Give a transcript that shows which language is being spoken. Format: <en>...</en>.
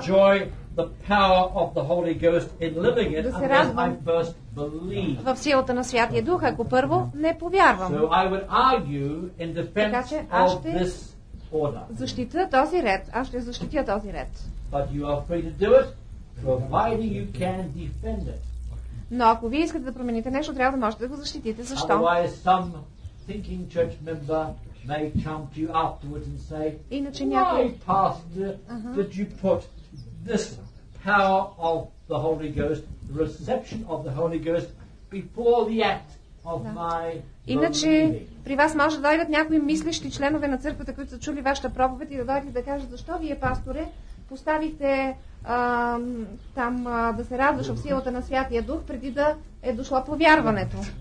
<en>enjoy the power of the Holy Ghost in living it unless I first believe.</en> <bg>В силата на Святия Дух, ако първо не повярвам.</bg> <en>So I would argue in defense</en> <bg>така, че аз ще</bg> <en>of this order.</en> <bg>Защитя този ред. Аз ще защитя този ред.</bg> <en>But you are free to do it. Providing you can defend it.</en> <bg>Но ако вие искате да промените нещо, трябва да можете да го защитите. Защо?</bg> <en>Otherwise, some thinking church member may come to you afterwards and say,</en> <bg>иначе някой</bg> <en>why, pastor, did you put this power of the Holy Ghost, the reception of the Holy Ghost, before the act of my</en> <bg>иначе при вас може да дойдат някои мислещи членове на църквата, които са чули вашата проповед и да дойдат да кажат, защо вие, пасторе, поставихте там да се радваш в силата на Святия Дух преди да е дошло повярването.</bg>